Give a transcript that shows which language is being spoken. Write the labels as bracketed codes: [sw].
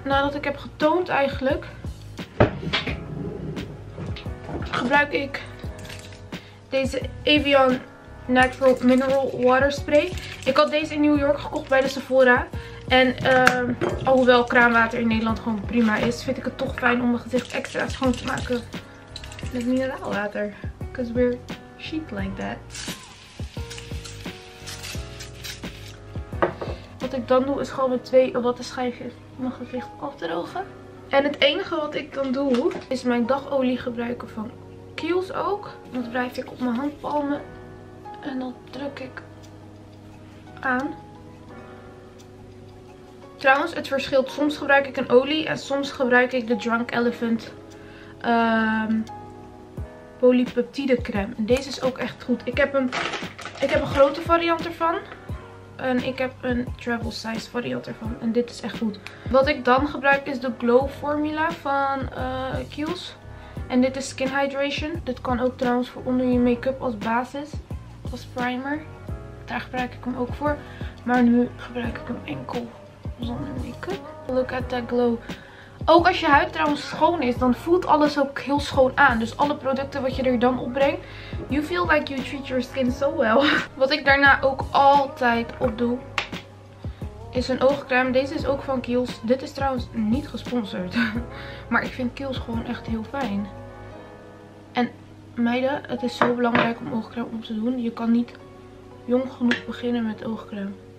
[nl] Nadat ik heb getoond eigenlijk, gebruik ik deze Evian Natural Mineral Water Spray. Ik had deze in New York gekocht bij de Sephora. En alhoewel kraanwater in Nederland gewoon prima is, vind ik het toch fijn om mijn gezicht extra schoon te maken met mineraalwater. [en] Because we're cheap like that. [nl] Wat ik dan doe is gewoon met twee wattenschijfjes mijn gezicht afdrogen. En het enige wat ik dan doe is mijn dagolie gebruiken van Kiehl's ook. Dat wrijf ik op mijn handpalmen en dat druk ik aan. Trouwens, het verschilt. Soms gebruik ik een olie en soms gebruik ik de Drunk Elephant polypeptide crème. En deze is ook echt goed. Ik heb een grote variant ervan. En ik heb een travel size variant ervan. En dit is echt goed. Wat ik dan gebruik is de Glow Formula van Kiehl's. En dit is Skin Hydration. Dit kan ook trouwens voor onder je make-up als basis. Als primer. Daar gebruik ik hem ook voor. Maar nu gebruik ik hem enkel zonder make-up. [en] Look at that glow. [nl] Ook als je huid trouwens schoon is, dan voelt alles ook heel schoon aan. Dus alle producten wat je er dan opbrengt. [en] You feel like you treat your skin so well. [nl] Wat ik daarna ook altijd op doe, is een oogcrème. Deze is ook van Kiehl's. Dit is trouwens niet gesponsord. Maar ik vind Kiehl's gewoon echt heel fijn. En meiden, het is zo belangrijk om oogcrème op te doen. Je kan niet jong genoeg beginnen met oogcrème.